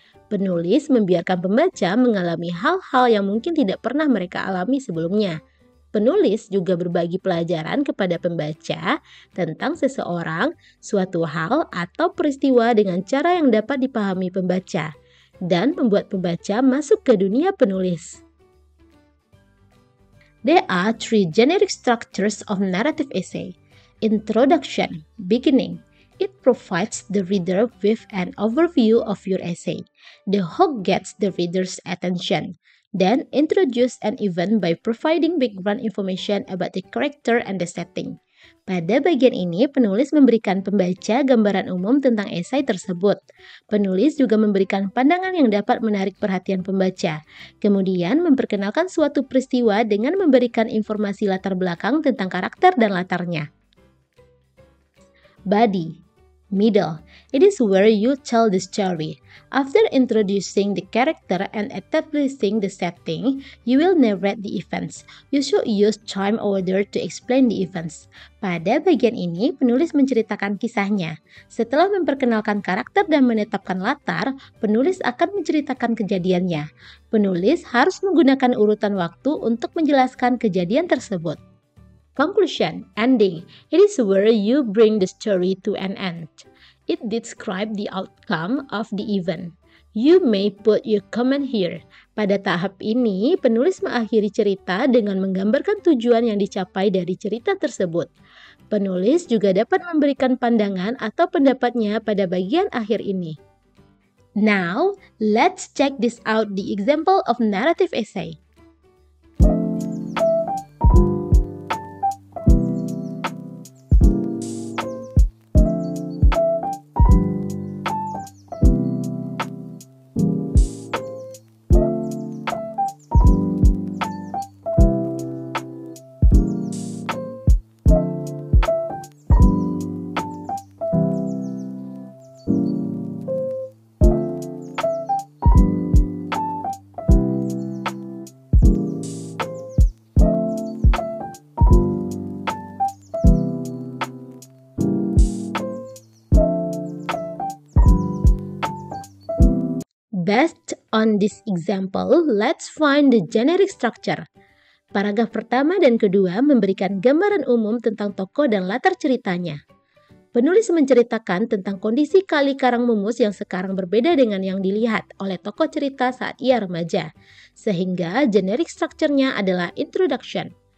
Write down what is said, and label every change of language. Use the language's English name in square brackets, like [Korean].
[Indonesian] Penulis membiarkan pembaca mengalami hal-hal yang mungkin tidak pernah mereka alami sebelumnya. Penulis juga berbagi pelajaran kepada pembaca tentang seseorang, suatu hal, atau peristiwa dengan cara yang dapat dipahami pembaca, dan membuat pembaca masuk ke dunia penulis. [English] There are three generic structures of narrative essay. Introduction, beginning. It provides the reader with an overview of your essay. The hook gets the reader's attention. Then introduce an event by providing background information about the character and the setting. [Indonesian] Pada bagian ini, penulis memberikan pembaca gambaran umum tentang esai tersebut. Penulis juga memberikan pandangan yang dapat menarik perhatian pembaca. Kemudian memperkenalkan suatu peristiwa dengan memberikan informasi latar belakang tentang karakter dan latarnya. [English] Body, middle, it is where you tell the story. After introducing the character and establishing the setting, you will narrate the events. You should use time order to explain the events. [Indonesian] Pada bagian ini, penulis menceritakan kisahnya. Setelah memperkenalkan karakter dan menetapkan latar, penulis akan menceritakan kejadiannya. Penulis harus menggunakan urutan waktu untuk menjelaskan kejadian tersebut. [English] Conclusion, ending. It is where you bring the story to an end. It describes the outcome of the event. You may put your comment here. [Indonesian] Pada tahap ini, penulis mengakhiri cerita dengan menggambarkan tujuan yang dicapai dari cerita tersebut. Penulis juga dapat memberikan pandangan atau pendapatnya pada bagian akhir ini. [English] Now, let's check this out the example of narrative essay. Based on this example, let's find the generic structure. [Indonesian] Paragraf pertama dan kedua memberikan gambaran umum tentang tokoh dan latar ceritanya. Penulis menceritakan tentang kondisi Kali Karang Mumus yang sekarang berbeda dengan yang dilihat oleh tokoh cerita saat ia remaja, sehingga [English] generic structure-nya adalah introduction.